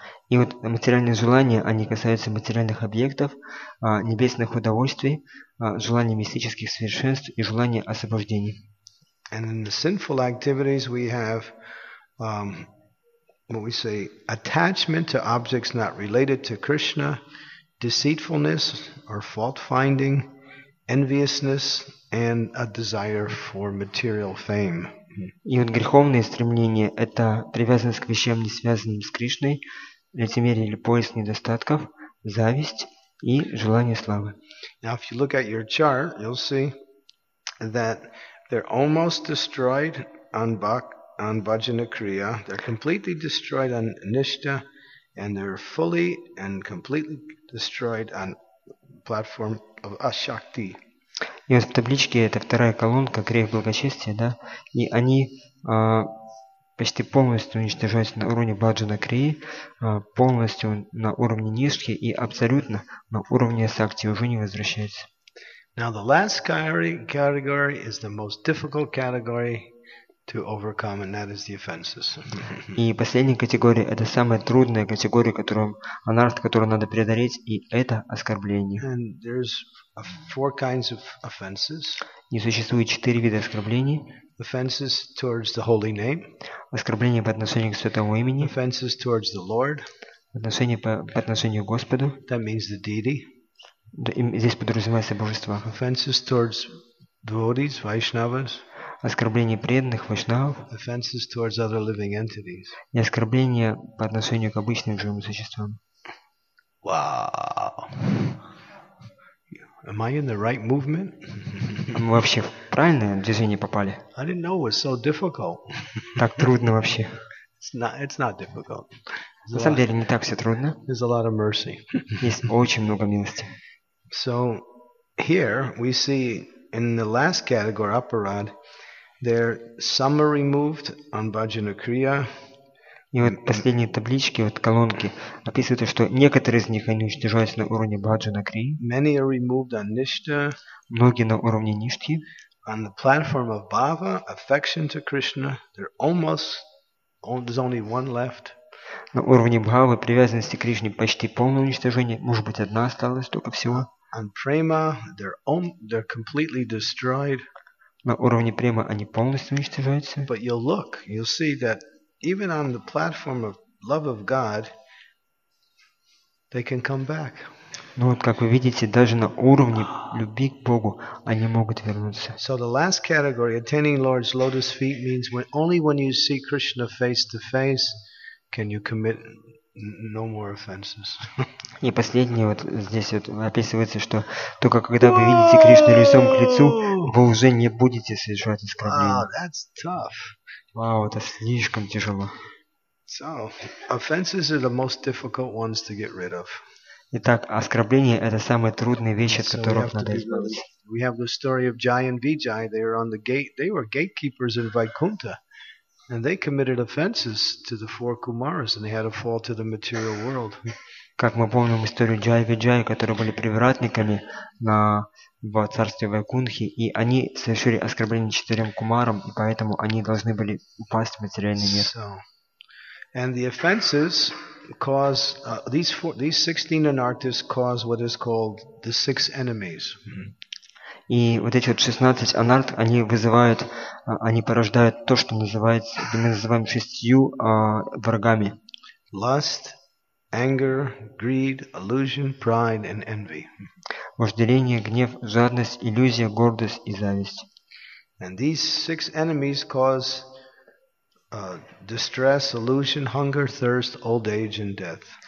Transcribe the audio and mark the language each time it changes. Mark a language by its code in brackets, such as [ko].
[ru] И вот материальные желания, они касаются материальных объектов, небесных удовольствий, желания мистических совершенств и желания освобождения. [en] And in the sinful activities we have what we say attachment to objects not related to Krishna, deceitfulness or fault finding, enviousness and a desire for material fame. [ru] И вот греховные стремления – это привязанность к вещам, не связанным с Кришной, лицемерие или поиск недостатков, зависть и желание славы. [en] Now, if you look at your chart, you'll see that they're almost destroyed on Bhajana Kriya. They're completely destroyed on Nishta, and they're fully and completely destroyed on platform of Ashakti. [ru] И вот в табличке это вторая колонка, грех благочестия, да, и они почти полностью уничтожаются на уровне Бхаджана Крии, полностью на уровне Нишки и абсолютно на уровне Сакти уже не возвращаются. [en] Now the last category is the most difficult category to overcome, and that is the offenses. [ru] И последняя категория – это самая трудная категория, которую анарт, которую надо преодолеть, и это оскорбление. [en] And there's four kinds of offenses. [ru] И существует четыре вида оскорблений. [en] Offenses towards the holy name. [ru] Оскорбление по отношению к святому имени. [en] Offenses towards the Lord. [ru] Отношение по отношению к Господу. [en] That means the deity. [ru] Здесь подразумевается божество. [en] Offenses towards devotees, Vaishnavas. [ru] Оскорбление преданных, вайшнавов. [en] Offenses towards other living entities. [ru] И оскорбление по отношению к обычным живым существам. [en] Wow. Am I in the right movement? [ru] Мы вообще в правильное движение попали? [en] I didn't know it was so difficult. [ru] Так трудно вообще. [en] It's not difficult. [ru] На самом деле не так все трудно. [en] There's a lot of mercy. [ru] Есть очень много милости. [en] So here we see in the last category, Aparad, their some are removed on Bhajana Kriya. [ru] И вот последние таблички, вот колонки, описывают, что некоторые из них они уничтожаются на уровне Бхаджана Крии. [en] Many are removed on Nishtha. [ru] Многие на уровне Ништхи. [en] On the platform of Bhava, affection to Krishna, they're almost, there's only one left. [ru] На уровне Бхавы, привязанности к Кришне, почти полное уничтожение, может быть, одна осталась только всего. [en] On Prema, they're completely destroyed. [ru] На уровне Према они полностью уничтожаются. [en] But you'll look, you'll see that even on the platform of love of God, they can come back. [ru] Ну вот, как вы видите, даже на уровне любви к Богу они могут вернуться. [en] So the last category, attaining Lord's lotus feet, means when only when you see Krishna face to face can you commit no more offenses. [ru] И последнее вот здесь вот описывается, что только когда вы видите Кришну лицом к лицу, вы уже не будете совершать оскорбления. [en] Wow, that's tough. [ru] Вау, это слишком тяжело. [en] So, offenses are the most difficult ones to get rid of. [ru] Итак, оскорбления это самые трудные вещи, от которых надо избавиться. [en] We have the story of Jai and Vijay. They were on the gate. They were gatekeepers in Vaikuntha, and they committed offenses to the four Kumaras, and they had a fall to the material world. [ru] Как мы помним историю Джая и Виджая, которые были привратниками в царстве Вайкунхи, и они совершили оскорбление четырем кумарам, и поэтому они должны были упасть в материальный мир. [en] So, and the offenses cause these 16 anartis cause what is called the six enemies. [ru] И вот эти вот 16 анарт, они вызывают, они порождают то, что называется, мы называем шестью врагами. [en] Lust, anger, greed, illusion, pride, and envy. [ru] Вожделение, гнев, жадность, иллюзия, гордость и зависть. [en] And these six enemies cause distress, illusion, hunger, thirst, old age, and death.